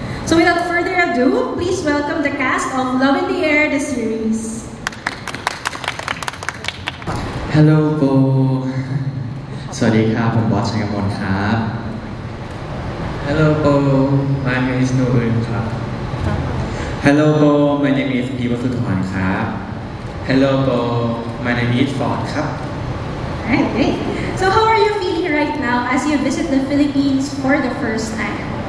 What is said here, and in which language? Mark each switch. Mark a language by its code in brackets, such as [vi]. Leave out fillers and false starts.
[en] So without further ado, please welcome the cast of Love in the Air, the series. Hello, Bo. [th] สวัสดีครับผมบอสชัยกมลครับ [en] Hello, Bo. My name is Noel ครับ Hello, Bo. My name is Peter Sutton ครับ Hello, Bo. My name is Ford ครับ Alright, so how are you feeling right now as you visit the Philippines for the first time?